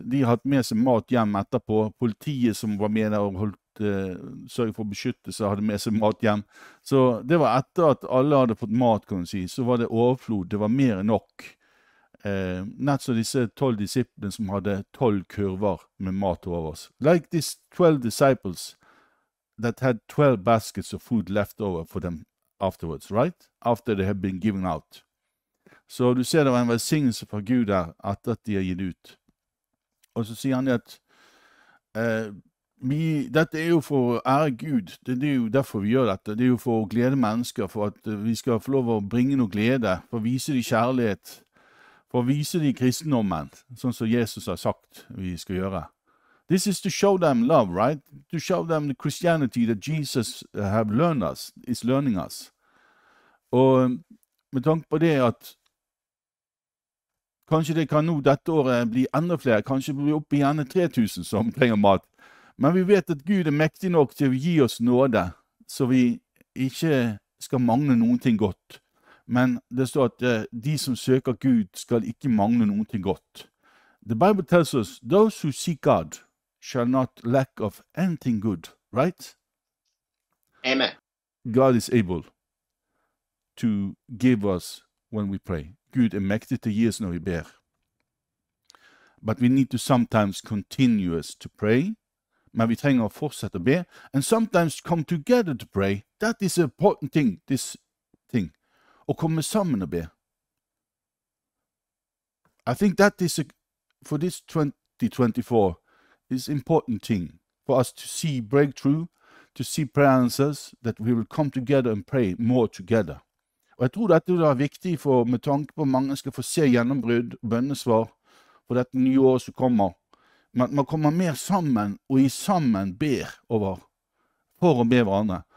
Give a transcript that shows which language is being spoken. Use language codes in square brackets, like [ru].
[no] De har hatt med seg mat hjem etterpå. Politiet som var med der og holdt sørget for beskyttelse hadde med seg mat hjem. Så det var etter at alle hadde fått mat, kan man si, så var det overflod. Det var mer enn nok. Nett som disse 12 disiplene som hadde 12 kurver med mat over oss. [en] Like these 12 disciples that had 12 baskets of food left over for them afterwards, right? After they had been given out. [no] Så du ser det var en velsignelse fra Gud der, at de har gitt ut. Og så sier han at dette er jo for å ære Gud. Det er jo derfor vi gjør dette. Det er jo for å glede mennesker, for at vi skal få lov å bringe noe glede, for å vise dem kjærlighet, for å vise dem kristendommen, sånn som Jesus har sagt vi skal gjøre. [en] This is to show them love, right? To show them the Christianity that Jesus have learned us, is learning us. [no] Og med tanke på det at kanskje det kan nå dette året bli enda flere. Kanskje blir vi oppe igjen 3000 som trenger mat. Men vi vet at Gud er mektig nok til å gi oss nåde, så vi ikke skal mangle noen ting godt. Men det står at de som søker Gud skal ikke mangle noen ting godt. [en] The Bible tells us, those who seek God shall not lack of anything good, right? Amen. God is able to give us when we pray. [no] Gud er mektig til å gi oss når vi ber. [en] But we need to sometimes continuous to pray. [no] Men vi trenger å fortsette å be. [en] And sometimes come together to pray. That is an important thing, this thing. [no] Å komme sammen og be. [en] I think that is, for this 2024, is an important thing for us to see breakthrough, to see prayer answers, that we will come together and pray more together. [no] Og jeg tror dette er viktig for, med tanke på at mange skal få se gjennombrudd og bønnesvar for dette nye året som kommer. Men man kommer mer sammen og i sammen ber over for å be hverandre.